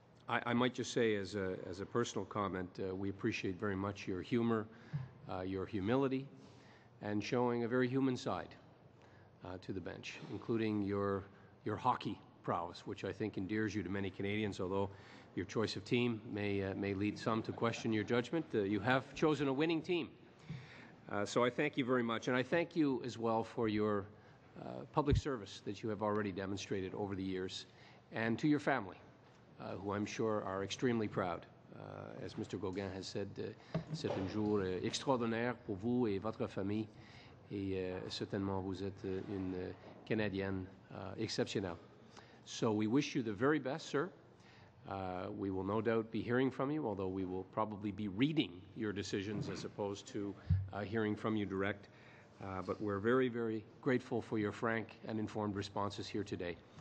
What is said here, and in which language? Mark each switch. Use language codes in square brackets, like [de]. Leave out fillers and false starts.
[en] I might just say as a personal comment, we appreciate very much your humor, your humility, and showing a very human side to the bench, including your hockey prowess, which I think endears you to many Canadians, although your choice of team may lead some to question your judgment. You have chosen a winning team. So I thank you very much. And I thank you as well for your public service that you have already demonstrated over the years, and to your family, who I'm sure are extremely proud as Mr. [fr] Gauguin [en] has said, [fr] c'est un jour extraordinaire pour vous et votre famille. Et certainement, vous êtes une Canadienne exceptionnelle. [en] So we wish you the very best, sir. We will no doubt be hearing from you, although we will probably be reading your decisions as opposed to hearing from you direct. But we're very, very grateful for your frank and informed responses here today.